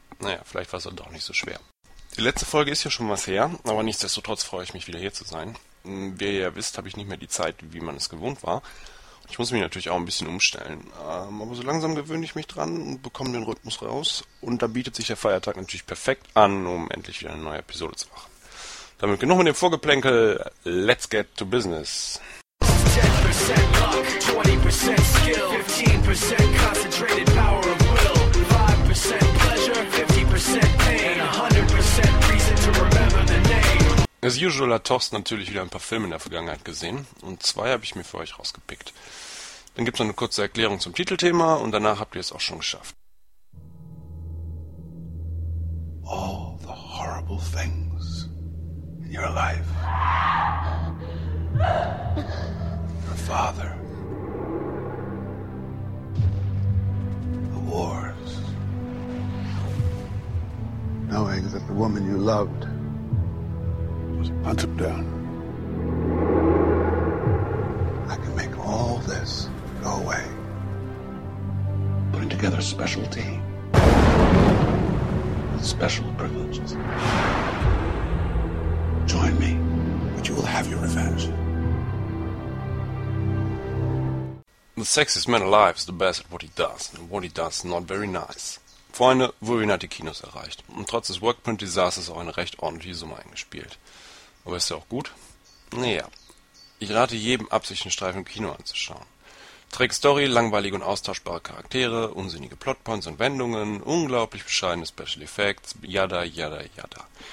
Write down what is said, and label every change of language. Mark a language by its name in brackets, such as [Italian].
[German] Naja, vielleicht war es doch nicht so schwer. Die letzte Folge ist ja schon was her, aber nichtsdestotrotz freue ich mich wieder hier zu sein. Wie ihr ja wisst, habe ich nicht mehr die Zeit, wie man es gewohnt war. Ich muss mich natürlich auch ein bisschen umstellen, aber so langsam gewöhne ich mich dran und bekomme den Rhythmus raus. Und da bietet sich der Feiertag natürlich perfekt an, um endlich wieder eine neue Episode zu machen. Damit genug mit dem Vorgeplänkel, [English] let's get to business. 10% luck, 20% skill, 15% concentrated power of will, 5% pleasure, 50% pain, 100% reason to remember the name. As usual [German] hat Thorsten natürlich wieder ein paar Filme in der Vergangenheit gesehen und zwei habe ich mir für euch rausgepickt. Dann gibt es noch eine kurze Erklärung zum Titelthema und danach habt ihr es auch schon geschafft. [English] All the horrible things in your life. Your father. The wars. Knowing that the woman you loved was hunted down. I can make all this go away. Putting together a special team. With special privileges. Join me, and you will have your revenge. The sexiest man alive is the best at what he does, and what he does not very nice. [German] Freunde, Wolverine hat die Kinos erreicht, und trotz des Workprint-Desasters auch eine recht ordentliche Summe eingespielt. Aber ist ja auch gut? Naja, ich rate jedem ab, sich den Streifen im Kino anzuschauen. Trägt Story, langweilige und austauschbare Charaktere, unsinnige Plotpoints und Wendungen, unglaublich bescheidene Special Effects, yada yada yada.